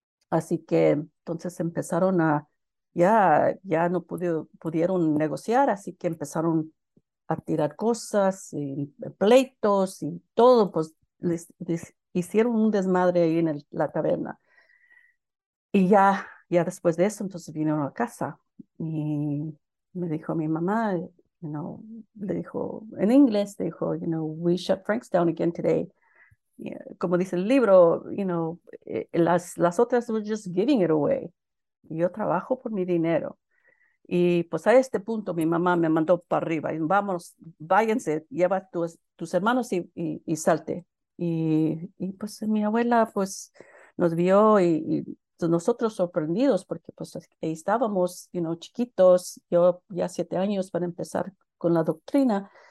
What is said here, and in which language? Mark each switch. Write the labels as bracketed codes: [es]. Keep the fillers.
[es] Así que entonces empezaron a, ya, ya no pudo, pudieron negociar, así que empezaron a tirar cosas y pleitos y todo, pues les, les hicieron un desmadre ahí en el, la taberna. Y ya, ya después de eso, entonces vinieron a casa y me dijo mi mamá, [en] you know, [es] le dijo en inglés, dijo, [en] you know, we shut Frank's down again today. Yeah, [es] como dice el libro, [en] you know, [es] las, las otras [en] were just giving it away. [es] Yo trabajo por mi dinero. Y pues a este punto mi mamá me mandó para arriba, y vamos, váyanse, lleva tus, tus hermanos y, y, y salte. Y, y, pues mi abuela pues nos vio y nosotros sorprendidos porque pues estábamos, [en] you know, [es] chiquitos, yo ya siete años para empezar con la doctrina.